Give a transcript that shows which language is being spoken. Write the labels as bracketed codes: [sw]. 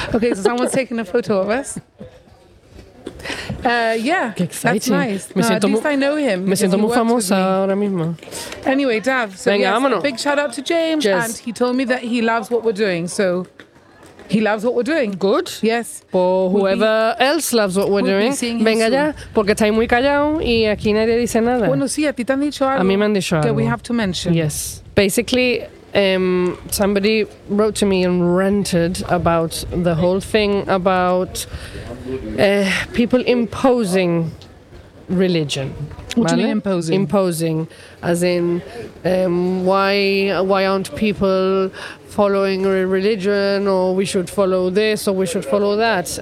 [en] Okay, so someone's taking a photo of us. That's nice. At least I know him. [es] Me siento muy famosa ahora mismo. [en] Anyway, Dav, so [es] vámonos. [en] Big shout out to James. Yes. And he told me that he loves what we're doing, so he loves what we're doing. Good. Yes. Or whoever else loves what we're doing. [es] Venga ya, porque está muy callado y aquí nadie dice nada. Bueno, sí, a ti te han dicho algo. A mí me han dicho algo. [en] That we have to mention. Yes. Basically, somebody wrote to me and ranted about the whole thing about people imposing religion. What do you mean imposing? Imposing, as in, why aren't people following a religion, or we should follow this, or we should follow that?